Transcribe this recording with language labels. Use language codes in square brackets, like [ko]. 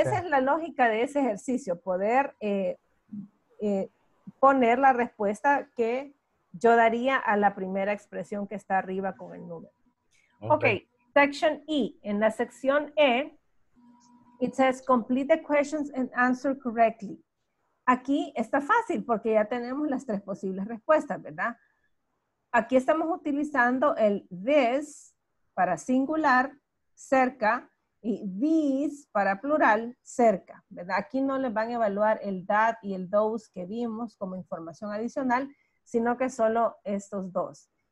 [es] Esa es la lógica de ese ejercicio, poder poner la respuesta que yo daría a la primera expresión que está arriba con el número. Okay. [en] Section E. [es] En la sección E, [en] It says complete the questions and answer correctly. [es] Aquí está fácil porque ya tenemos las tres posibles respuestas, ¿verdad? Aquí estamos utilizando el this para singular, cerca, y these para plural, cerca, ¿verdad? Aquí no les van a evaluar el that y el those que vimos como información adicional, sino que solo estos dos.